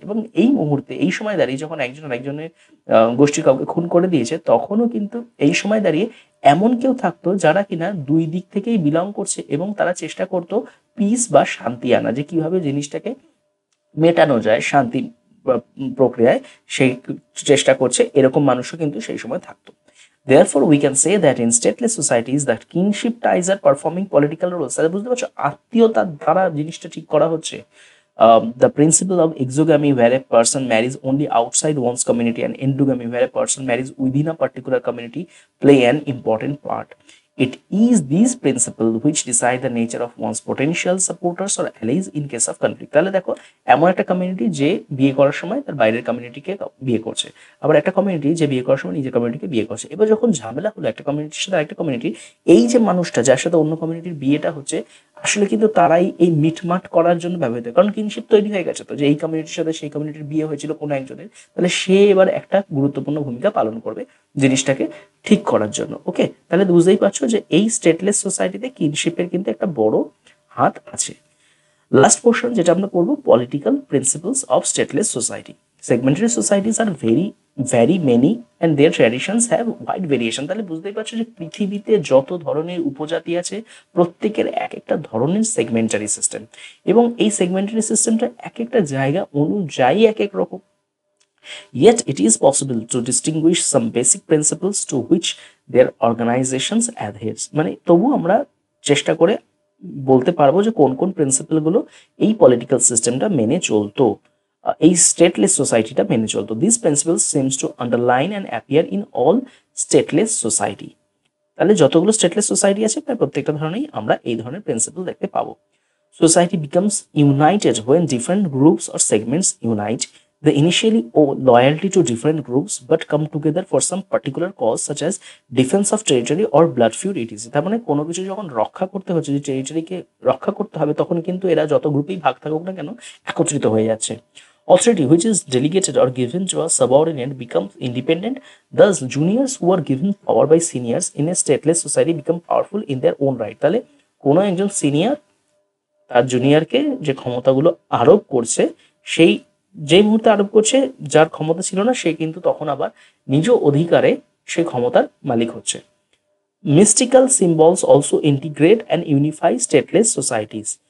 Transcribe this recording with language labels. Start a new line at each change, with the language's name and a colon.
Bangla: এবং এই মুহূর্তে এই সময় দাঁড়িয়ে যখন একজন আরেকজনের গোষ্ঠী কাউকে খুন করে দিয়েছে, তখনও কিন্তু এই সময় দাঁড়িয়ে এমন কেউ থাকতো যারা কিনা দুই দিক থেকেই বিলং করছে এবং তারা চেষ্টা করতো পিস বা শান্তি আনা, যে কীভাবে জিনিসটাকে মেটানো যায় শান্তি প্রক্রিয়ায় সেই চেষ্টা করছে, এরকম মানুষও কিন্তু সেই সময় থাকতো।
English: Therefore, we can say that in stateless societies, that kingship ties are performing political roles.
Bangla: So, বুঝতে পারছো, আত্মীয়তা দ্বারা জিনিসটা ঠিক করা হচ্ছে।
English: The principle of exogamy, where a person marries only outside one's community, and endogamy, where a person marries within a particular community, play an important part. It is these principles which decide the nature of one's potential supporters or allies in case of conflict.
Bangla: তাহলে দেখো, এমন একটা community যে বিয়ে করার সময় তার বাইরের কমিউনিটিকে বিয়ে করছে, আবার একটা কমিউনিটি যে বিয়ে করার সময় নিজের কমিউনিটিকে বিয়ে করছে। এবার যখন ঝামেলা হলো একটা কমিউনিটির সাথে একটা কমিউনিটির, এই যে মানুষটা যার সাথে অন্য কমিউনিটির বিয়েটা হচ্ছে, আসলে কিন্তু তারাই এই মিটমাট করার জন্য ব্যবহৃত হয়, কারণ কিনশিপ তৈরি হয়ে গেছে তো, যে এই কমিউনিটির সাথে সেই কমিউনিটির বিয়ে হয়েছিল কোনো একজনের, তাহলে সে এবার একটা গুরুত্বপূর্ণ ভূমিকা পালন করবে জিনিসটাকে ঠিক করার জন্য। ওকে, তাহলে বুঝতেই পারছো যে এই স্টেটলেস সোসাইটিতে কিনশিপের কিন্তু একটা বড় হাত আছে। লাস্ট পোর্শন যেটা আমরা করবো, political principles of stateless society.
English: Segmentary societies are very very many and their traditions have wide variation.
Bangla: তাহলে বুঝতেই পারছো যে পৃথিবীতে যত ধরনের উপজাতি আছে, প্রত্যেকের এক একটা ধরনের সেগমেন্টারি সিস্টেম, এবং এই সেগমেন্টারি সিস্টেমটা এক একটা জায়গা অনুযায়ী এক এক রকম।
English: Yet it is possible to distinguish some basic principles to which their organizations adhere.
Bangla: মানে তবু আমরা চেষ্টা করে বলতে পারবো যে কোন কোন প্রিন্সিপলগুলো এই পলিটিক্যাল সিস্টেমটা মেনে চলতো, এই স্টেটলেস সোসাইটিটা মেনে চলতো।
English: This principles seems to underline and appear in all stateless society.
Bangla: তাহলে যতগুলো স্টেটলেস সোসাইটি আছে প্রায় প্রত্যেকটা ধরনেরই আমরা এই ধরনের প্রিন্সিপল দেখতে পাবো।
English: Society becomes united when different groups or segments unite. They initially owe loyalty to different groups but come together for some particular cause such as defense of territory or blood feud etc.
Bangla: তার মানে কোনো কিছু যখন রক্ষা করতে হচ্ছে, যে টেরিটরিকে রক্ষা করতে হবে, তখন কিন্তু এরা যত গ্রুপেই ভাগ থাকুক না কেন একত্রিত হয়ে যাচ্ছে।
English: Authority which is delegated or given to a subordinate becomes independent. Thus juniors who are given power by seniors in a stateless society become powerful in their own right.
Bangla: তাহলে কোনো একজন সিনিয়র তার জুনিয়রকে যে ক্ষমতাগুলো আরোপ করছে, সেই যেই মুহূর্তে আরোপ করছে যার ক্ষমতা ছিল না, সে কিন্তু তখন আবার নিজ অধিকারে সে ক্ষমতার মালিক হচ্ছে।
English: Mystical symbols also integrate and unify stateless societies.